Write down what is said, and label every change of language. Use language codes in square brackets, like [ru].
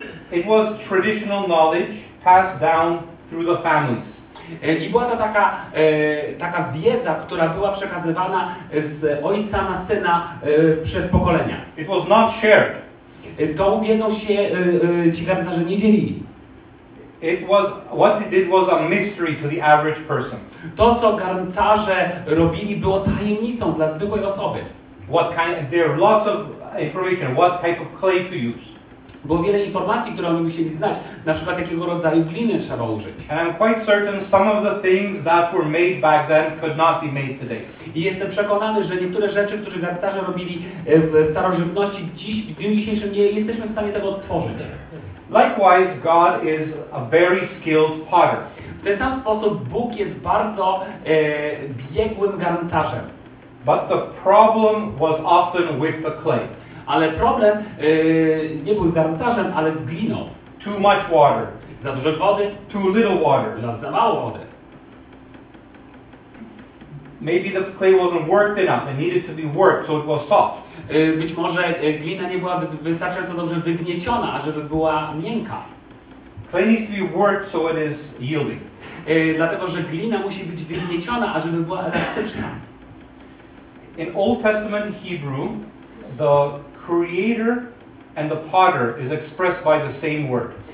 [en] It was traditional knowledge passed down through the families. [pl] I była to taka wiedza, która była przekazywana z ojca na syna przez pokolenia. [en] It was not shared. [pl] Tą wiedzą się ci garncarze nie dzielili. [en] It was, what they did was a mystery to the average person. [pl] To, co garncarze robili, było tajemnicą dla zwykłej osoby. [en] What kind, there are lots of information, what type of clay to use. [pl] Było wiele informacji, które oni musieli znać. Na przykład, jakiego rodzaju gliny trzeba użyć. [en] And I'm quite certain some of the things that were made back then could not be made today. [pl] I jestem przekonany, że niektóre rzeczy, które garncarze robili w starożytności, dziś, w dniu dzisiejszym, nie jesteśmy w stanie tego odtworzyć. [en] Likewise, God is a very skilled potter. [pl] W ten sam sposób Bóg jest bardzo biegłym garncarzem. [en] But the problem was often with the clay. [pl] Ale problem nie był z garncarzem, ale z gliną. [en] Too much water. [pl] Za dużo wody. [en] Too little water. [pl] Za mało wody. [en] Maybe the clay wasn't worked enough. It needed to be worked, so it was soft. [pl] Być może glina nie była wystarczająco dobrze wygnieciona, ażeby była miękka. [en] Clay needs to be worked, so it is yielding. [pl] Dlatego, że glina musi być wygnieciona, ażeby była elastyczna. [en] In Old Testament Hebrew, the creator and the potter is expressed by the same word.